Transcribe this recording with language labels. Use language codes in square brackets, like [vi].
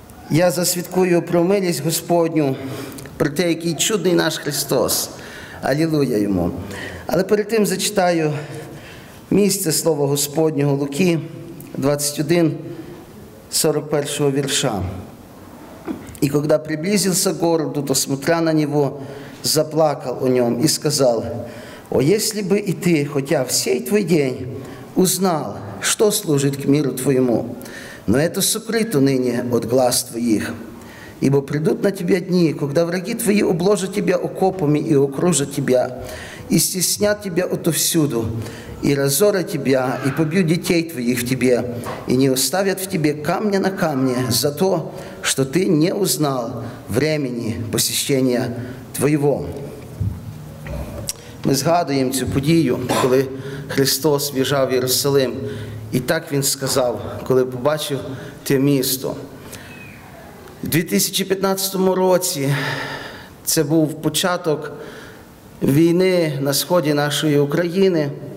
[uk] Я засвідкую про милість Господню, про те, який чудний наш Христос. Алілуя Йому! Але перед тим зачитаю місце Слова Господнього Луки, 21, 41 вірша. [ru] «И когда приблизился к городу, то, смотря на него, заплакал о нем и сказал, «О, если бы и ты, хотя в сей твой день, узнал, что служит к миру твоему, но это сокрыто ныне от глаз твоих, ибо придут на тебя дни, когда враги твои обложат тебя окопами и окружат тебя, и стеснят тебя отовсюду, и разорят тебя, и побьют детей твоих в тебе, и не оставят в тебе камня на камне за то, что ты не узнал времени посещения твоего». [uk] Ми згадуємо цю подію, коли Христос в'їжджав в Єрусалим, і так Він сказав, коли побачив те місто. У 2015 році це був початок війни на сході нашої України.